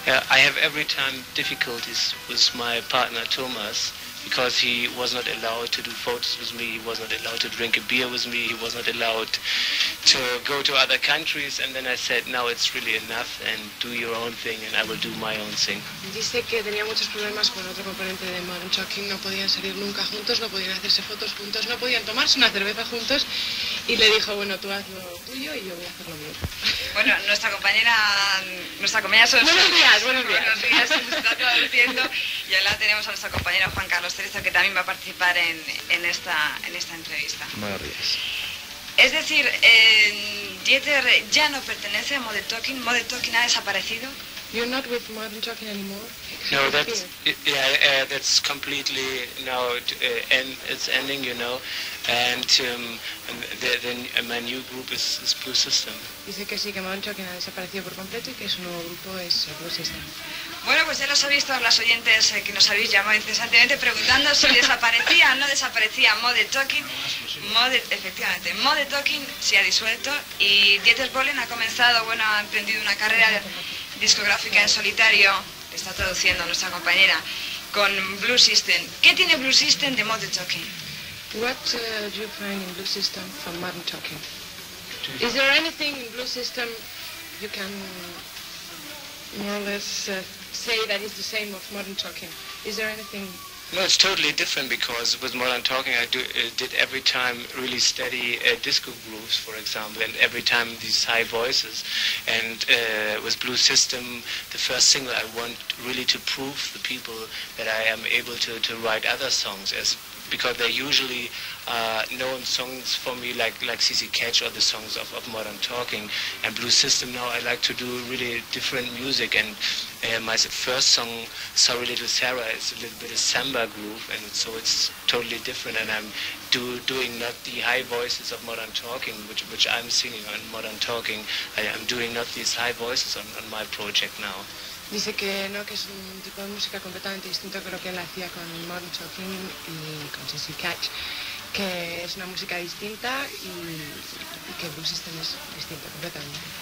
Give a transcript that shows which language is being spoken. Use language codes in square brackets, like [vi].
[en] I have every time difficulties with my partner Thomas because he was not allowed to do photos with me, he was not allowed to drink a beer with me, he was not allowed to go to other countries, and then I said, now it's really enough and do your own thing and I will do my own thing. [es] Dice que tenía muchos problemas con otro componente de Modern Talking, no podían salir nunca juntos, no podían hacerse fotos juntos, no podían tomarse una cerveza juntos y le dijo, bueno, tú haz lo tuyo y yo voy a hacer lo mío. Bueno, nuestra compañera son... Buenos días, se está traduciendo. Y ahora tenemos a nuestro compañero Juan Carlos Cerezo, que también va a participar en esta entrevista. Buenos días. Es decir, Dieter ya no pertenece a Modern Talking, Modern Talking ha desaparecido. [en] You're not with Modern Talking anymore. No, that's that's completely now it's ending, you know, and my new group is Blue System. [es] Dice que sí, que Modern Talking ha desaparecido por completo y que su nuevo grupo es Blue System. Bueno, pues ya lo sabéis todos los oyentes que nos habéis llamado incesantemente preguntando si desaparecía o no desaparecía Modern Talking. Efectivamente, Modern Talking se ha disuelto y Dieter Bohlen ha comenzado, bueno, ha emprendido una carrera discográfica en solitario, que está traduciendo nuestra compañera, con Blue System. ¿Qué tiene Blue System de Modern Talking? [en] What do you find in Blue System from Modern Talking? Is there anything in Blue System you can more or less say that is the same of Modern Talking? Is there anything? No, it's totally different because with Modern Talking I did every time really steady disco grooves, for example, and every time these high voices. And with Blue System, the first single, I want really to prove the people that I am able to write other songs, because they're usually known songs for me, like CC Catch or the songs of Modern Talking. And Blue System, now I like to do really different music. And my first song, Sorry Little Sarah, is a little bit of samba groove, and so it's totally different. And I'm doing not the high voices of Modern Talking, which I'm singing on Modern Talking. I'm doing not these high voices on my project now. [es] Dice que no, que es un tipo de música completamente distinto que lo que él hacía con Modern Talking y con CC Catch, que es una música distinta y que Blue System es distinto completamente.